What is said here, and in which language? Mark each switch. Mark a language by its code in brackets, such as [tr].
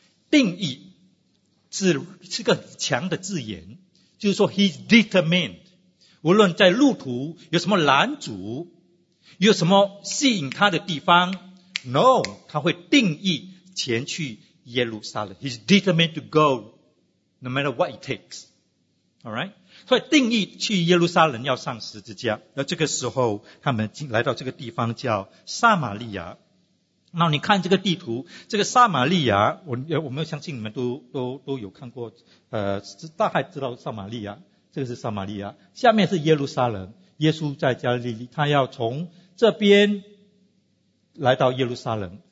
[zh] 定义是个很强的字眼，就是说 [en] he's determined， [zh] 无论在路途有什么拦阻，有什么吸引他的地方， no， 他会定义前去耶路撒冷。 [en] He's determined to go no matter what it takes， all right。 [zh] 所以定义去耶路撒冷要上十字架。那这个时候他们来到这个地方叫撒玛利亚。那你看这个地图，这个撒玛利亚，我没有相信你们都有看过，大概知道撒玛利亚，这个是撒玛利亚，下面是耶路撒冷，耶稣在加利利，他要从这边来到耶路撒冷。